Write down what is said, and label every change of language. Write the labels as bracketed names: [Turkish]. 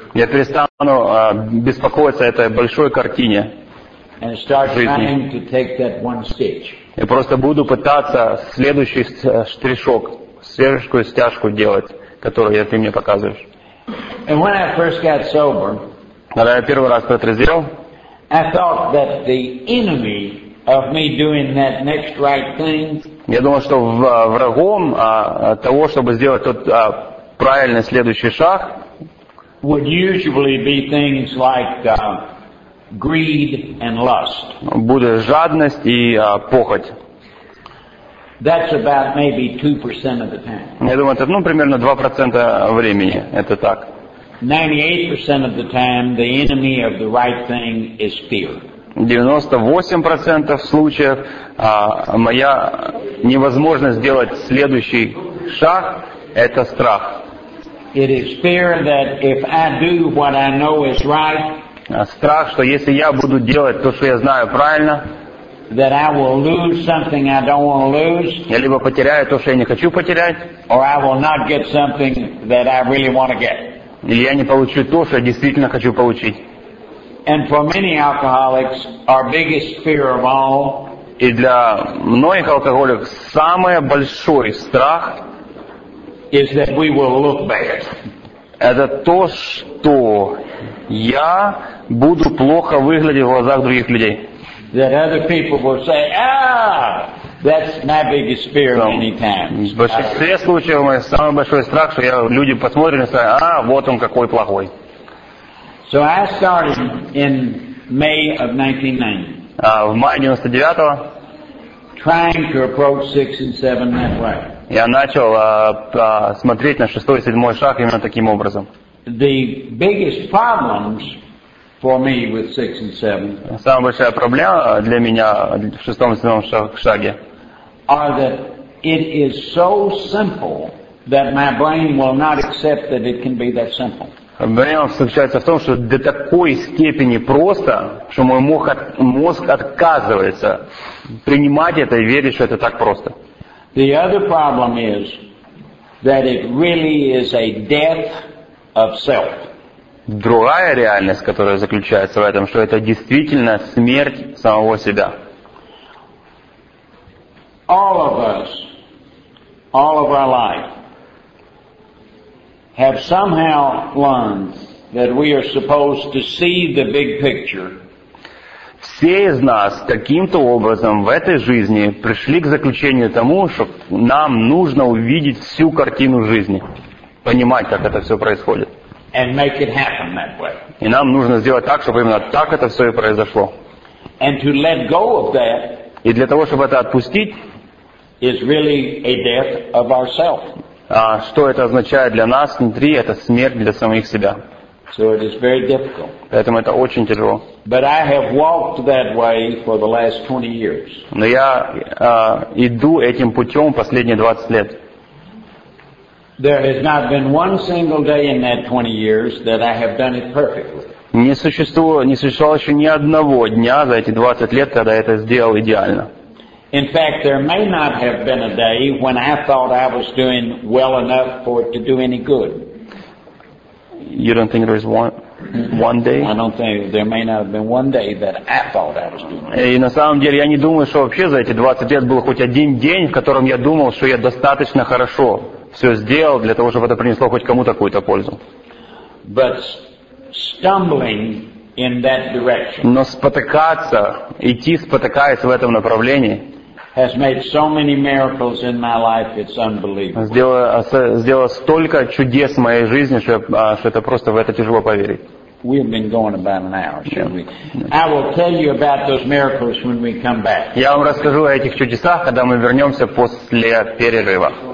[Russian] Я перестану беспокоиться о этой большой картине. [English] And start trying to take that one stitch. [Russian] Я просто буду пытаться следующий штришок, следующую стяжку делать, которую ты мне показываешь. [English] And when I first got sober, [Russian] когда я первый раз протрезвел, [English] I thought that the enemy of me doing that next right thing. [Russian] Я думал, что врагом того, чтобы сделать тот правильный следующий шаг, [English] would usually be things like. Greed and lust. [Russian] Будет жадность и похоть. [English] That's about maybe 2% of the time. [Russian] Я думаю, это примерно 2% времени. Это так. [English] 98% of the time, the enemy of the right thing is fear. [Russian] 98% случаев моя невозможность сделать следующий шаг – это страх. [English] It is fear that if I do what I know is right. [Russian] Страх, что если я буду делать то, что я знаю правильно, [English] that I will lose something I don't want to lose, [Russian] я либо потеряю то, что я не хочу потерять, [English] or I will not get something that I really want to get. [Russian] Или я не получу то, что я действительно хочу получить. [English] And for many alcoholics, our biggest fear of all, [Russian] и для многих алкоголиков самый большой страх, [English] is that we will look bad. [Russian] Это то, что я буду плохо выглядеть в глазах других людей. [English] That other people will say, that's my biggest fear many times. [Russian] В большинстве случаев мой самый большой страх, что люди посмотрят и скажут, вот он какой плохой. [English] So I started in May of 1990. [Russian] В мае 99-го. [English] Trying to approach 6 and 7 that way. [Russian] Я начал смотреть на шестой и седьмой шаг именно таким образом. [English] The biggest problems for me with 6 and 7. [Russian] Самая большая проблема для меня в шестом и седьмом шаге. [English] Are that it is so simple that my brain will not accept that it can be that simple. [Russian] Проблема заключается в том, что до такой степени просто, что мой мозг отказывается принимать это и верить, что это так просто. [English] The other problem is that it really is a death of self. [Russian] Другая реальность, которая заключается в этом, что это действительно смерть самого себя. [English] All of us, all of our life, have somehow learned that we are supposed to see the big picture. [Russian] Все из нас каким-то образом в этой жизни пришли к заключению тому, что нам нужно увидеть всю картину жизни, понимать, как это все происходит. [English] And make it happen that way. [Russian] И нам нужно сделать так, чтобы именно так это все и произошло. [English] And to let go of that, [Russian] и для того, чтобы это отпустить, [English] is really a death of ourself. [Russian] Что это означает для нас внутри, это смерть для самих себя. [English] So it is very difficult. [Russian] Поэтому это очень тяжело. [English] But I have walked that way for the last 20 years. [Russian] Но я иду этим путем последние 20 лет. [English] There has not been one single day in that 20 years that I have done it perfectly. [Russian] Не существовало еще ни одного дня за эти 20 лет, когда я это сделал идеально. [English] In fact, there may not have been a day when I thought I was doing well enough for it to do any good. You don't think there's one day? I don't think there may not have been one day that I thought I was doing. [Russian] И на самом деле я не думаю, что вообще за эти 20 лет был хоть один день, в котором я думал, что я достаточно хорошо все сделал для того, чтобы это принесло хоть кому-то какую-то пользу. [English] But stumbling in that direction. [Russian] Но спотыкаться, идти спотыкаясь в этом направлении. [English] Has made so many miracles in my life, it's unbelievable. [Russian] Сделал столько чудес в моей жизни, что это просто в это тяжело поверить. [English] We've been going about an hour, shall we? I will tell you about those miracles when we come back. [Russian] Я вам расскажу о этих чудесах, когда мы вернемся после перерыва.